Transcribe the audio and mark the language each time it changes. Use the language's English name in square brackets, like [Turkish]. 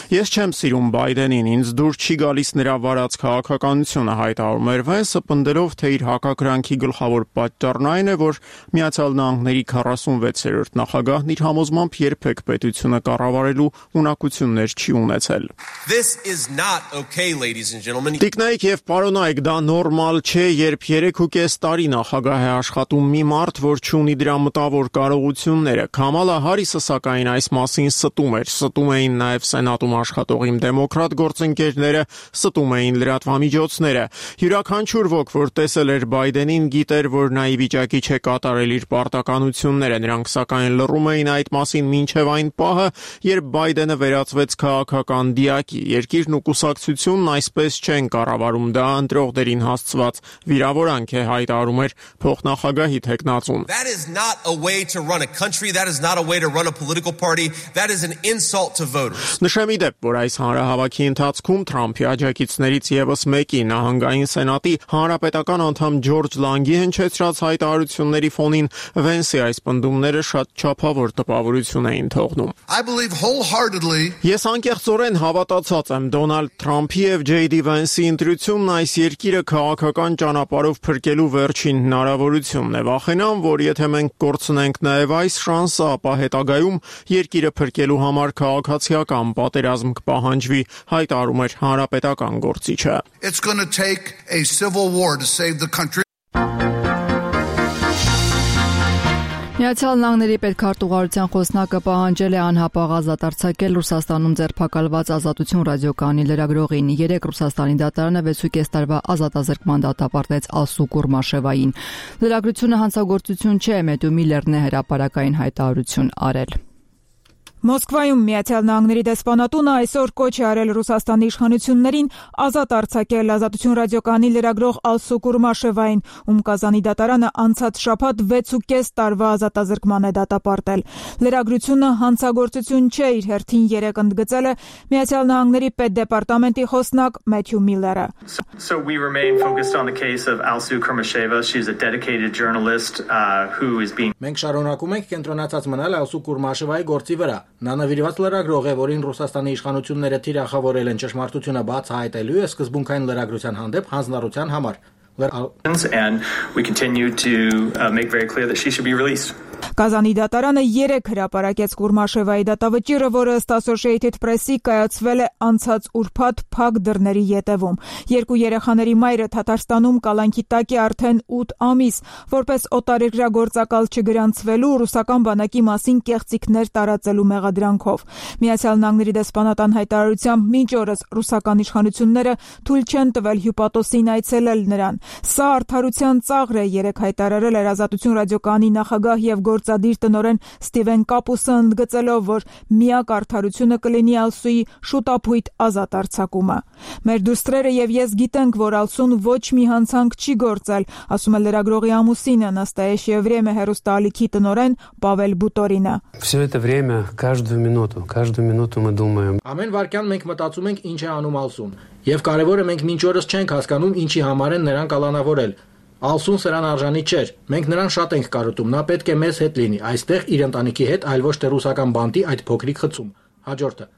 [Armenian] Ես չեմ սիրում Բայդենին, ինձ դուր չի գալիս նրա վարած քաղաքականությունը, հայտարարում էր Վենսը, պնդելով, թե իր հակակրանքի գլխավոր պատճառն այն է, որ Միացյալ Նահանգների 46-րդ նախագահն իր համոզմամբ երբեք պետությունը կառավարելու ունակություններ չի ունեցել։ [English] This is not okay, ladies and gentlemen. [Armenian] Տիկնայք և պարոնայք, դա նորմալ չէ, երբ 3.5 տարի նախագահ է աշխատում մի մարդ, որ չունի դրա մտավոր կարողությունները։ Քամալա Հարիսը, սակայն, այս մասին ստում է։ Ստում էին նաև Սենատում աշխատող իմ դեմոկրատ գործընկերները, ստում էին լրատվամիջոցները։ Յուրաքանչյուր ոք, որ տեսել էր Բայդենին, գիտեր, որ նա ի վիճակի չէ կատարել իր պարտականությունները, նրանք սակայն լռում էին այդ մասին մինչև այն պահը, երբ Բայդենը վերածվեց քաղաքական դիակի։ Երկիրն ու կուսակցությունն այսպես չեն կառավարում, դա ընտրողներին հասցված վիրավորանք է, հայտարարում էր փոխնախագահի թեկնածուն։ [English] That is not a way to run a country, that is not a way to run a political party, that is an insult to voters. [Armenian] Նշեմ իդեպ, որ այս հանրահավաքի ընթացքում Թրամփի աջակիցներից եւս մեկի նահանգային սենատի հանրապետական անդամ Ջորջ Լանգի հնչեցրած հայտարարությունների ֆոնին Վենսի այս ընդդումները շատ չափավոր տպավորություն էին թողնում։ [English] I believe wholeheartedly. [Armenian] Ես անկեղծորեն հավատացած եմ Դոնալդ Թրամփի եւ JD Վենսի ընտրությունն այս երկիրը քաղաքական ճանապարհով փրկելու վերջին հնարավորությունն է։ Վախենամ, որ եթե մենք կորցնենք նաեւ այս շանսը, ապա հետագայում երկիրը փրկելու համար քաղաքացիական պատերազմ կպահանջվի, հայտարարում էր հանրապետական գործիչը։ [English] It's going to take a civil war to save the country. [Armenian] Միացյալ Նահանգների պետքարտուղարության խոսնակը պահանջել է անհապաղ ազատ արձակել Ռուսաստանում ձերբակալված Ազատություն ռադիոկանալի լրագրողին։ Երեք Ռուսաստանի դատարանը 6.5 տարվա ազատազրկման դատապարտեց Ասու Կուրմաշևային։ Լրագրությունը հանցագործություն չէ, Մետյու Միլերն է հրապարակային հայտարարություն արել։ Մոսկվայում Միացյալ Նահանգների դեսպանատունը այսօր կոչ է արել Ռուսաստանի իշխանություններին ազատ արձակել Ազատություն ռադիոկանալի լրագրող Ասու Կուրմաշևային, ում Կազանի դատարանը անցած շաբաթ 6.5 տարվա ազատազրկման է դատապարտել։ Լրագրությունը հանցագործություն չէ, իր հերթին երեկ ընդգծել է Միացյալ Նահանգների պետդեպարտամենտի խոսնակ Մեթյու Միլերը։ [English] So we remain focused on the case of Ալսու Կուրմաշևա. She's a dedicated journalist who is being [Armenian] Մենք շարունակում ենք կենտրոնացած մնալ Ալսու Կուրմաշևայի գործի վրա։ Նա նվիրված լրագրող է, որին Ռուսաստանի իշխանությունները թիրախավորել են ճշմարտությունը բաց հայտելու է սկզբունքային լրագրության հանդեպ հանձնառության համար։ [English] And we continue to make very clear that she should be released. [Armenian] Կազանի դատարանը 3 հրապարակեց Կուրմաշևայի դատավճիռը, որը ըստ Associated Press-ի կայացվել է անցած ուրբաթ փակ դռների ետևում։ Երկու երեխաների մայրը Թաթարստանում կալանքի տակ է արդեն 8 ամիս, որպես օտարերկրագործակալ չգրանցվելու ռուսական բանակի մասին կեղծիքներ տարածելու մեղադրանքով։ Միացյալ Նահանգների դեսպանատան հայտարարությամբ մինչ օրս ռուսական իշխանությունները թույլ չեն տվել հյուպատոսին այցելել նրան։ Սա արդարության ծաղր է, երեկ հայտարարել էր Ազատություն ռադիոկանի նախագահ և գործադիր տնորեն Ստիվեն Կապուսը, ընդգծելով, որ միակ արդարությունը կլինի Ալսուի շուտապույտ ազատ արձակումը։ «Մեր դուստրերը և ես գիտենք, որ Ալսուն ոչ մի հանցանք չի գործել», ասում է լրագրողի ամուսինը, Նաստայեշիե Վրեմե հերուստալիքի տնորեն Պավել Բուտորինը։ [Russian] «Всё это время, каждую минуту мы думаем». [Armenian] «Ամեն վարկյան մենք մտածում ենք, ինչ է անում Ալսուն, և կարևորը մենք մինչ օրս չենք հասկանում, ինչի համար են նրան կալանավորել». Ալսուն սրան արժանի չէր, մենք նրան շատ ենք կարոտում, նա պետք է մեզ հետ լինի, այստեղ իր ընտանիքի հետ, այլ ոչ թե ռուսական բանտի այդ փոքրիկ խցում։ Հաջորդը.